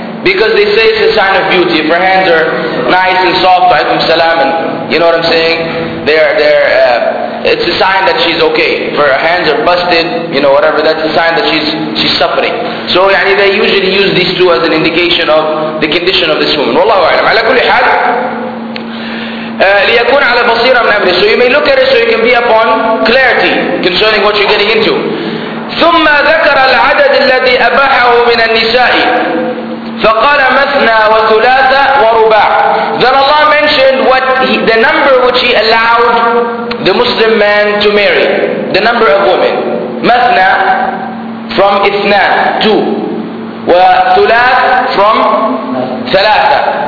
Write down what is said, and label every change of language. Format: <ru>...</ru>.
<en>Because they say it's a sign of beauty. If her hands are nice and soft,</en> <ar>alaykum salam,</ar> <en>and you know what I'm saying? It's a sign that she's okay. If her hands are busted, you know, whatever, that's a sign that she's suffering. So yani they usually use these two as an indication of the condition of this woman. Wallahu a'lam.</en> <ar>Ala kulli hal, ليكون على بصيرة من أمره.</ar> <en>So you may look at it so you can be upon clarity concerning what you're getting into.</en> <ar>ثم ذكر العدد الذي أباحه من النساء فقال مثنى وثلاثة ورباع.</ar> <en>Then Allah mentioned what the number which He allowed the Muslim man to marry, the number of women.</en> <ar>مثنى from إثنى,</ar> <en>two.</en> <ar>وثلاث from ثلاثة.</ar>